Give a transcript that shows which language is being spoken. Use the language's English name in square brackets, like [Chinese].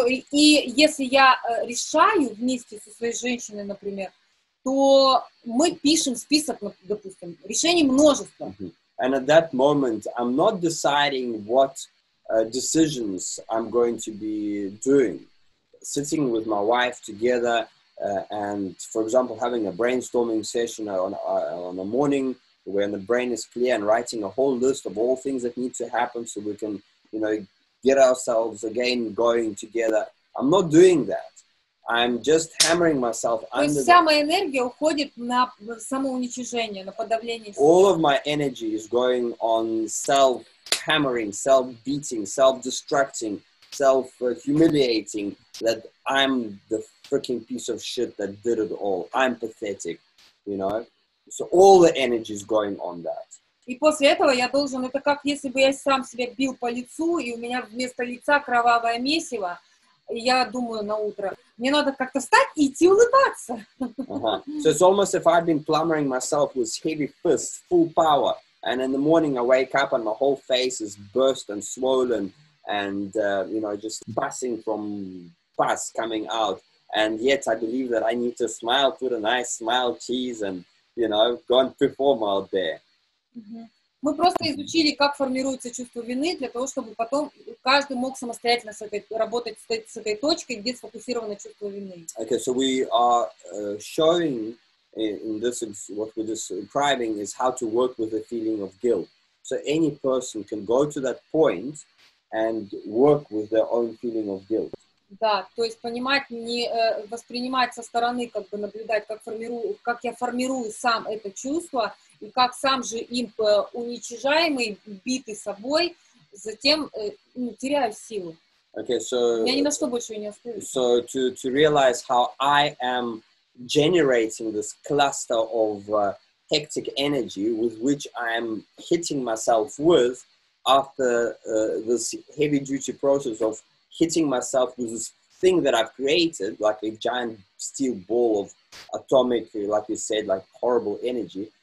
[Russian] И если я решаю вместе со своей женщиной, например, то мы пишем список, допустим, решений множество. [English] And at that moment I'm not deciding what decisions I'm going to be doing. Sitting with my wife together, and, for example, having a brainstorming session on the morning when the brain is clear and writing a whole list of all things that need to happen so we can, you know, get ourselves again going together. I'm not doing that. I'm just hammering myself under. [Russian] То есть вся моя энергия уходит на самоуничижение, на подавление. [English] All of my energy is going on self-hammering, self-beating, self-destructing, self-humiliating, that I'm the freaking piece of shit that did it all. I'm pathetic, you know? So all the energy is going on that. [Russian] И после этого я должен, это как если бы я сам себя бил по лицу, и у меня вместо лица кровавое месиво, я думаю на утро, мне надо как-то встать и идти улыбаться. [English] So it's almost if I've been plumbering myself with heavy fists, full power, and in the morning I wake up and my whole face is burst and swollen and, you know, just passing from pus coming out. And yet I believe that I need to smile, put a nice smile, cheese, and, you know, go and perform out there. [Russian] Мы просто изучили, как формируется чувство вины, для того, чтобы потом каждый мог самостоятельно с этой, работать с этой точкой, где сфокусировано чувство вины. [English] Okay, so we are showing in this, what we're describing is how to work with the feeling of guilt. So any person can go to that point and work with their own feeling of guilt. [Russian] Да, то есть понимать, не воспринимать со стороны, как бы наблюдать, как я формирую сам это чувство, и как сам же им уничижаемый, битый собой, затем теряю силу. [English] Okay, so, [Russian] я ни на что больше не остаюсь. [English] So to realize how I am generating this cluster of hectic energy with which I am hitting myself with after this heavy duty process of hitting myself with this thing that I've created, like a giant steel ball of atomic, like you said, like horrible energy.